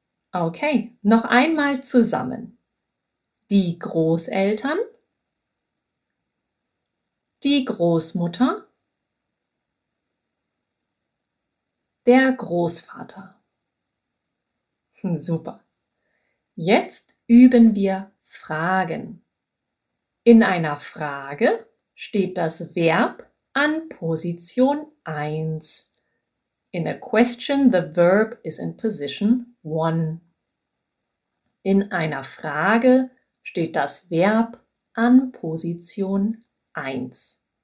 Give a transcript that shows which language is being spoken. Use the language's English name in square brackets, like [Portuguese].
[German] Okay, noch einmal zusammen. Die Großeltern, die Großmutter, der Großvater. Super. Jetzt üben wir Fragen. In einer Frage steht das Verb an Position 1. [English] In a question, the verb is in position 1. [German] In einer Frage steht das Verb an Position 1.